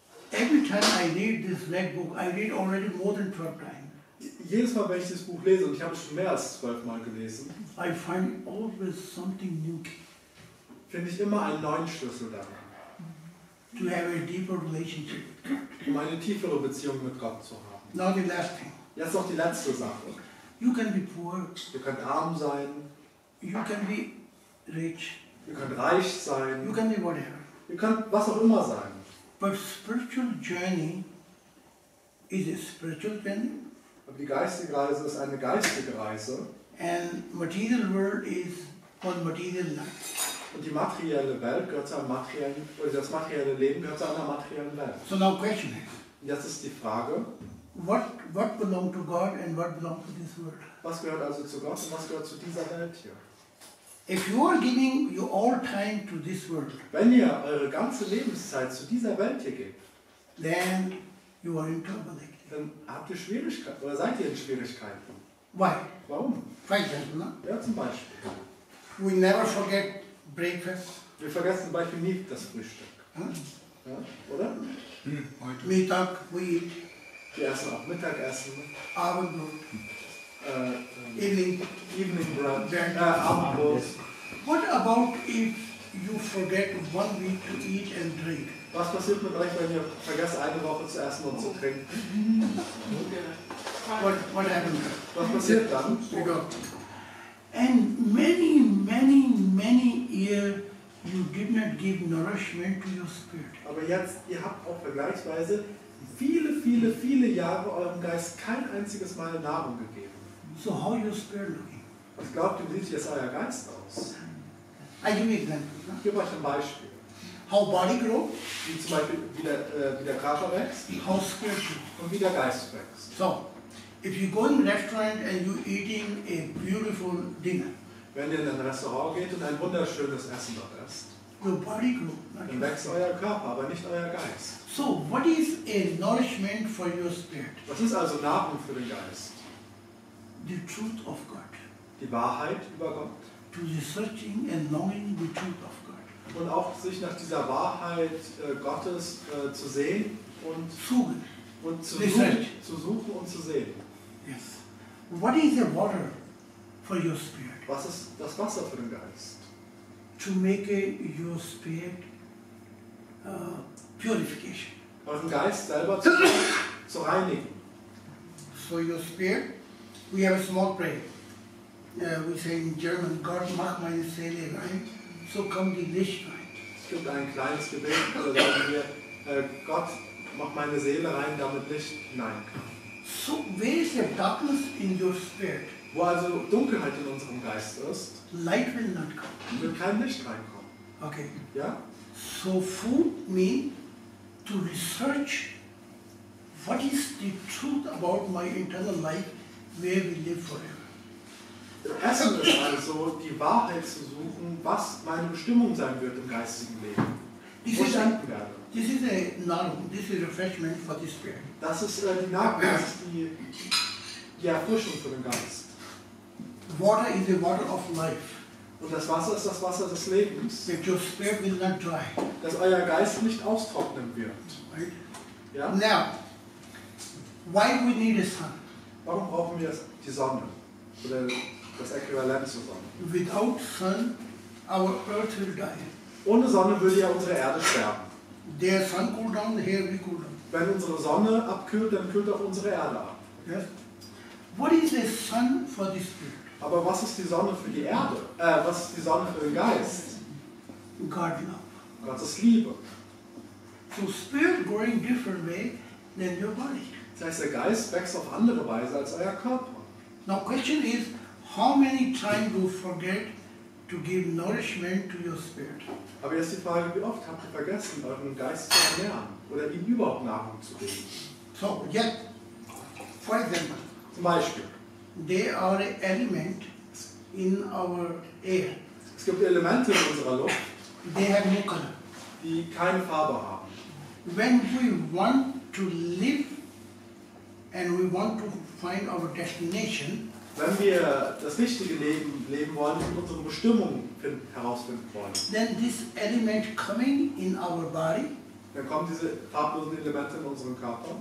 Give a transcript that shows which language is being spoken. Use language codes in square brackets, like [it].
[en] Every time I read this red book, I read already more than 12 times. [de] Jedes Mal, wenn ich dieses Buch lese, und ich habe es schon mehr als 12 Mal gelesen, [en] I find always something new. [de] Finde ich immer einen neuen Schlüssel daran. [en] To have a deeper relationship. [de] Um eine tiefere Beziehung mit Gott zu haben. [en] Now the last thing. [de] Jetzt noch die letzte Sache. [en] You can be poor. [de] Du kannst arm sein. [en] You can be rich. [de] Du kannst reich sein. [en] You can be whatever. [de] Du kannst was auch immer sein. [en] But spiritual journey is a spiritual journey. [de] Aber die geistige Reise ist eine geistige Reise. [en] And material world is on material life. [de] Und die materielle Welt gehört zu einem materiellen, oder das materielle Leben gehört zu einer materiellen Welt. [en] So now question is. [de] Jetzt ist die Frage. [en] What belongs to God and what belongs to this world? [de] Was gehört also zu Gott und was gehört zu dieser Welt hier? [en] If you are giving your all time to this world, [de] wenn ihr eure ganze Lebenszeit zu dieser Welt hier gebt, [en] then you are in trouble. [de] Dann habt ihr Schwierigkeiten oder seid ihr in Schwierigkeiten? [en] Why? [de] Warum? Beispiel, ne? Ja, zum Beispiel. [en] We never forget breakfast. [de] Wir vergessen zum Beispiel nie das Frühstück. Hm? Ja, oder? Hm, heute. Mittag, [en] we eat. [de] Wir essen auch Mittagessen. Abendbrot. [en] Evening brunch. [de] Abendbrot. [en] What about if you forget one week to eat and drink? [de] Was passiert mit euch, wenn ihr vergesst, eine Woche zu essen und zu trinken? [en] What happens? [de] Was passiert dann? [en] We go. And many years you did not give nourishment to your spirit. [de] Aber jetzt, ihr habt auch vergleichsweise viele Jahre eurem Geist kein einziges Mal Nahrung gegeben. [en] So how your spirit looking? [de] Was glaubt ihr, wie sieht jetzt euer Geist aus? [en] I give you an example. [de] Gib euch ein Beispiel. [en] How body grows? [de] Wie zum Beispiel wie der Körper wächst. [en] How spirit [de] und wie der Geist wächst. [en] So, if you go in a restaurant and you eating a beautiful dinner. [de] Wenn ihr in ein Restaurant geht und ein wunderschönes Essen dort esst. [en] Your body grows. [de] Dann wächst euer Körper, aber nicht euer Geist. [en] So, what is a nourishment for your spirit? [de] Was ist also Nahrung für den Geist? [en] The truth of God. [de] Die Wahrheit über Gott. [en] To the searching and knowing the truth of God. [de] Und auch sich nach dieser Wahrheit Gottes zu sehen und, suchen. Und zu, suchen, zu suchen und zu sehen. [en] Yes. What is the water for your spirit? [de] Was ist das Wasser für den Geist? [en] To make your spirit purification. [de] Euren Geist selber zu reinigen. [en] So your spirit, we have a small prayer. We say in German, [de] Gott mach meine Seele rein. So kommt die Lichtheit. Es gibt ein kleines Gebet, da sagen wir, Gott, mach meine Seele rein, damit Licht hinein kann. [en] So, where is the darkness in your spirit? [de] Wo also Dunkelheit in unserem Geist ist, [en] light will not come. [de] Wird kein Licht reinkommen. [en] Okay. [de] Ja? [en] So food me to research what is the truth about my internal life, where we live forever. [de] Essen ist also, die Wahrheit zu suchen, was meine Bestimmung sein wird im geistigen Leben. [en] This [de] wo [en] is [de] ich denken werde. [en] This is a Nahrung, this is refreshment for the spirit. [de] Das ist die Nahrung, das ist die Erfrischung für den Geist. [en] Water is the water of life. [de] Und das Wasser ist das Wasser des Lebens. [en] That your spirit will not dry. [de] Dass euer Geist nicht austrocknen wird. [en] Right? [de] Ja? [en] Now, why do we need a sun? [de] Warum brauchen wir die Sonne? Oder das Äquivalent zur Sonne. [en] Without sun, our earth will die. [de] Ohne Sonne würde ja unsere Erde sterben. [en] Der Sun cool down, here we cool down. [de] Wenn unsere Sonne abkühlt, dann kühlt auch unsere Erde ab. [en] Yes. What is the sun for the spirit? [de] Aber was ist die Sonne für die Erde? Was ist die Sonne für den Geist? [en] God love. [de] Gottes Liebe. [en] So spirit growing different way than your body. [de] Das heißt, der Geist wächst auf andere Weise als euer Körper. [en] Now question is, how many times do you forget to give nourishment to your spirit? [de] Aber jetzt die Frage, wie oft habt ihr vergessen, euren Geist zu ernähren oder ihm überhaupt Nahrung zu geben? [en] So, yet, for example. [de] Zum Beispiel. [en] They are an element in our air. [de] Es gibt Elemente in unserer Luft. [en] They have no color. [de] Die keine Farbe haben. [en] When we want to live and we want to find our destination, [de] wenn wir das richtige Leben leben wollen und unsere Bestimmung herausfinden wollen, [en] then this element coming in our body, [de] dann kommen diese farblosen Elemente in unseren Körper,